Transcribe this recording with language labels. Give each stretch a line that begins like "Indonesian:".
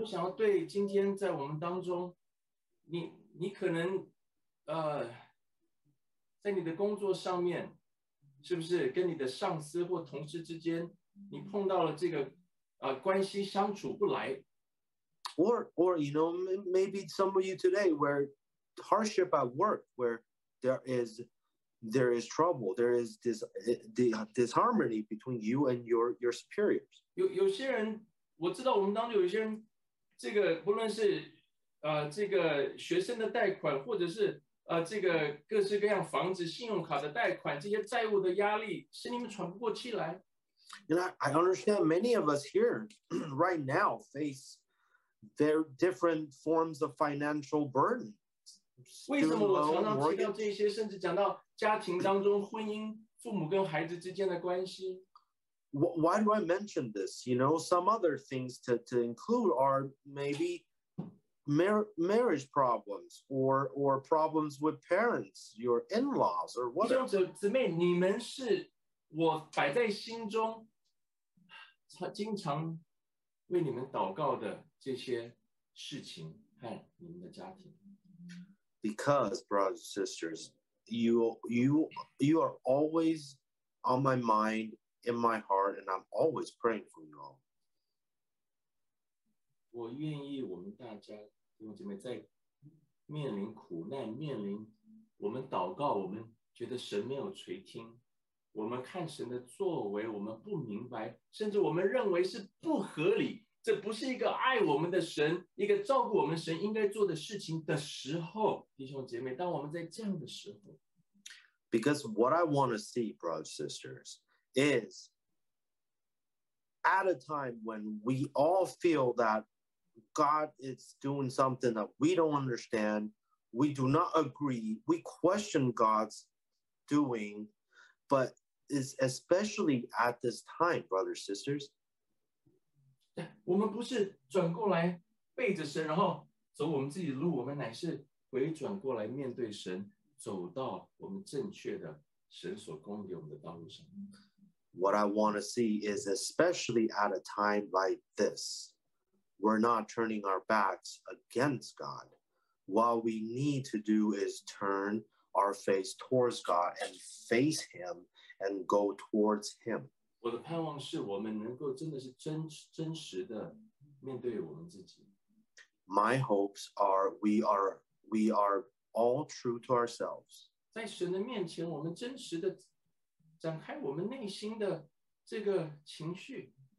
Chinese: 我想要对今天在我们当中，你可能在你的工作上面，是不是跟你的上司或同事之间，你碰到了这个关系相处不来。
English: Or you know, maybe some of you today where hardship at work, where there is trouble, there is this disharmony between you and your superiors.
Chinese: 有些人，我知道我们当中有些人，这个不论是这个学生的贷款，或者是这个各式各样房子、信用卡的贷款，这些债务的压力，使你们喘不过气来。
English: And I understand many of us here right now face their different forms of financial burden.
Chinese: 为什么我常常提到这些，甚至讲到家庭当中婚姻、父母跟孩子之间的关系？
English: Why do I mention this? You know, some other things to include are maybe marriage problems or problems with parents, your in-laws or whatever.
Chinese: 弟兄姊妹，你们是我摆在心中，经常为你们祷告的这些事情和你们的家庭。
English: Because, brothers and sisters, you are always on my mind, in my heart, and I'm always praying for you all.
Chinese: 我愿意我们大家，弟兄姐妹，在面临苦难，面临我们祷告，我们觉得神没有垂听。我们看神的作为，我们不明白，甚至我们认为是不合理，这不是一个爱我们的神，一个照顾我们神应该做的事情的时候，弟兄姐妹，当我们在这样的时候。
English: Because what I want to see, brothers and sisters, is at a time when we all feel that God is doing something that we don't understand, we do not agree, we question God's doing, but is especially at this time, brothers and sisters.
Chinese: 我们不是转过来背着神，然后走我们自己的路，我们乃是回转过来面对神，走到我们正确的神所供给我们的道路上。
English: What I want to see is especially at a time like this, we're not turning our backs against God. What we need to do is turn our face towards God and face Him. And go towards him.
Chinese: 我的盼望是我们能够真的是真实的面对我们自己。
English: My hopes are we are all true to ourselves.
Chinese: 在神的面前，我们真实的展开我们内心的这个情绪。